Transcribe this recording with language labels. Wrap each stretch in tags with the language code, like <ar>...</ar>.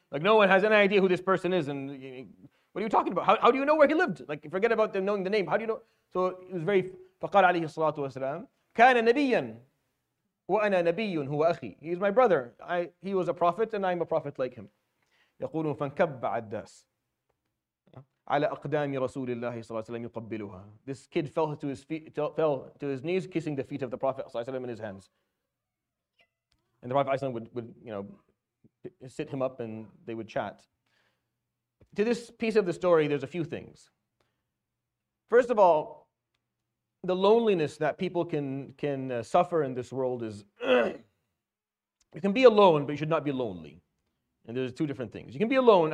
<en>Like, no one has any idea who this person is. And what are you talking about? How do you know where he lived? Like, forget about them knowing the name. How do you know? So it was very.</en> <ar>فَقَالَ عَلَيْهِ الصَّلَاةُ وَالسَّلَامُ كَانَ نَبِيًّا وَأَنَا نَبِيٌّ هُوَ أَخِي.</ar> <en>He's my brother. He was a prophet, and I'm a prophet like him.</en> <ar>يَقُولُ فَانْكَبَّ عَدَّاسِ على أقدام رسول الله صلى الله عليه وسلم يقبلها.</ar> <en>This kid fell to his feet, fell to his knees, kissing the feet of the Prophet</en> <ar>صلى الله عليه وسلم</ar> <en>in his hands. And the Prophet would sit him up and they would chat. To this piece of the story, there's a few things. First of all, the loneliness that people can suffer in this world is you can be alone, but you should not be lonely. And there's two different things. You can be alone.</en>